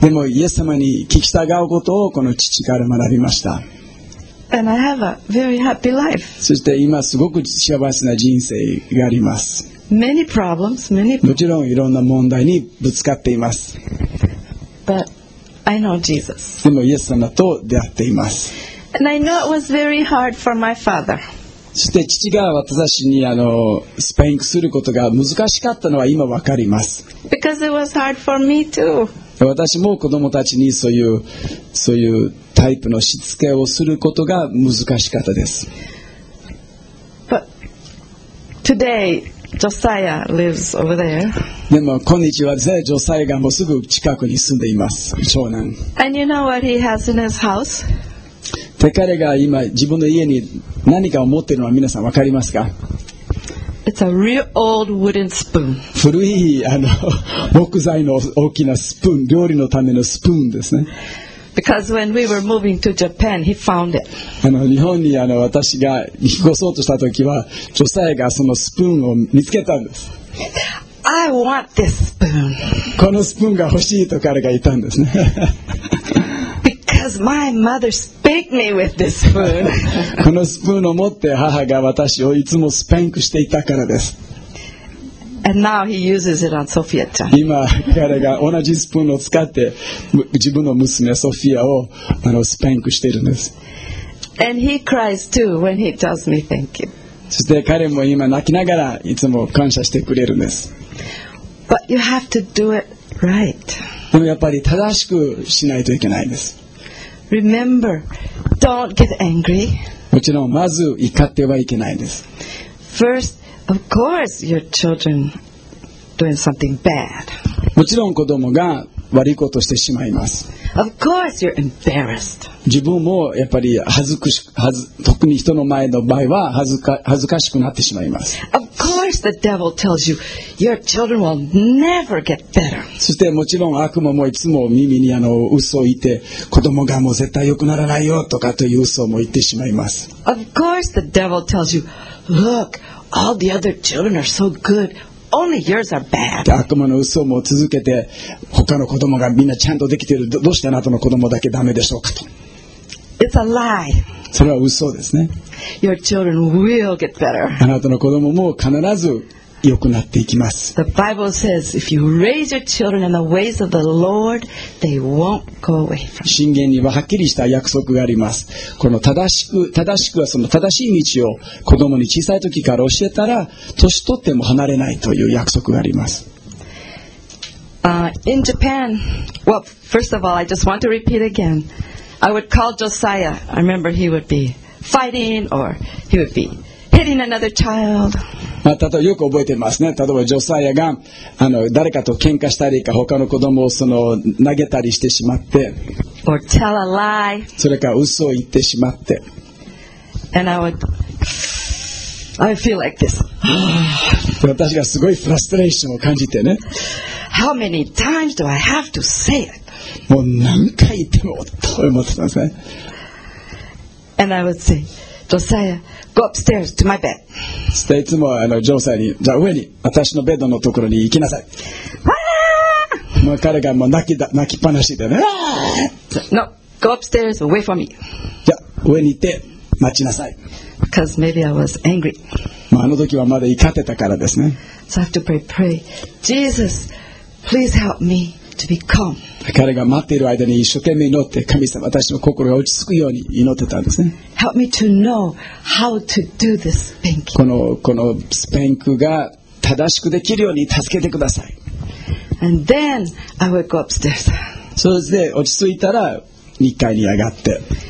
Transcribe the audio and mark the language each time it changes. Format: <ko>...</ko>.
<ja>でもイエス様に聞き従うことをこの父から学びました。</ja> <en>And I have a very happy life.</en> <ja>そして今すごく幸せな人生があります。</ja> <en>Many problems, many</en> <ja>problems. もちろんいろんな問題にぶつかっています。</ja> <en>But I know Jesus.</en> <ja>でもイエス様と出会っています。</ja> <en>And I know it was very hard for my father.</en> <ja>そして父が私にスパインクすることが難しかったのは今わかります。</ja> <en>Because it was hard for me too.</en> <ja>私も子供たちにそういうタイプのしつけをすることが難しかったです。</ja> <en>But today, Josiah lives over there.</en> <ja>でも今日はですね、ジョサイがもうすぐ近くに住んでいます、長男。</ja> <en>And you know what he has in his house?</en> <ja>で彼が今自分の家に何かを持っているのは皆さん分かりますか？</ja> <en>It's a real old wooden spoon.</en> <ja>古い木材の大きなスプーン、料理のためのスプーンですね。</ja> <en>Because when we were moving to Japan, he found it.</en> <ja>日本に私が引っ越そうとした時は、ジョサイがそのスプーンを見つけたんです。</ja> <en>I want this spoon.</en> <ja>このスプーンが欲しいと彼が言ったんですね。</ja> <en>Because my mother spanked me with this spoon.</en> <ja>このスプーンを持って母が私をいつもスパンクしていたからです。</ja> <en>And now he uses it on Sophia ちゃん。</en> <ja>今彼が同じスプーンを使って自分の娘ソフィアをスパンクしているんです。</ja> <en>And he cries too when he tells me thank you.</en> <ja>そして彼も今泣きながらいつも感謝してくれるんです。</ja> <en>But you have to do it right.</en> <ja>でもやっぱり正しくしないといけないんです。</ja> <en>Remember, don't get angry.</en> <ja>もちろんまず怒ってはいけないです。</ja> <en>First, of course, your children doing something bad.</en> <ja>もちろん子供が悪いことをしてしまいます。</ja> <en>Of course, you're embarrassed.</en> <ja>自分もやっぱり特に人の前の場合は恥ずかしくなってしまいます。</ja> <en>Of course, the devil tells you your children will never get better.</en> <ja>そしてもちろん悪魔もいつも耳に嘘を言って、子供がもう絶対良くならないよとかという嘘も言ってしまいます。</ja> <en>Of course, the devil tells you, look, all the other children are so good. Only yours are bad.</en> <ja>悪魔の嘘も続けて、他の子供がみんなちゃんとできている。どうしてあなたの子供だけダメでしょうかと。</ja> <en>It's a lie.</en> <ja>それは嘘ですね。</ja> <en>Your children will get better.</en> <ja>あなたの子供も必ず良くなっていきます。</ja> <en>The Bible says, if you raise your children in the ways of the Lord, they won't go away from.</en> <ja>箴言にははっきりした約束があります。この正しくはその正しい道を子供に小さい時から教えたら、年取っても離れないという約束があります。</ja> <en>In Japan, well, first of all, I just want to repeat again. I would call Josiah. I remember he would be fighting or he would be hitting another child.</en> <ja>まあ、例えばよく覚えてますね。例えばジョサイアが誰かと喧嘩したりか、他の子供をその投げたりしてしまって</ja> <en>Or tell a lie.</en> <ja>それか嘘を言ってしまって</ja> <en>And I feel like this.</en> <ja>私がすごいフラストレーションを感じてね。</ja> <en>How many times do I have to say it?</en> <ja>もう何回言ってもと思ってますね。</ja> <en>And I would say, Josiah,Go upstairs to my bed.</en> <ja>そしていつもジョーサイに、じゃあ上に私のベッドのところに行きなさい。もう彼がもう泣きっぱなしでね。</ja> <en>No, go upstairs away from me.</en> <ja>じゃあ上に行って待ちなさい。</ja> <en>Because maybe I was angry.</en> <ja>まああの時はまだ怒ってたからですね。</ja> <en>So I have to pray. Jesus, please help me to be calm.</en> <ja>彼が待っている間に一生懸命祈って、神様、私の心が落ち着くように祈ってたんですね。</ja> <en>Help me to know how to do this spanking.</en> <ja>このスパンクが正しくできるように助けてください。</ja> <en>And then I would go upstairs.</en> <ja>そして落ち着いたら2階に上がって。</ja>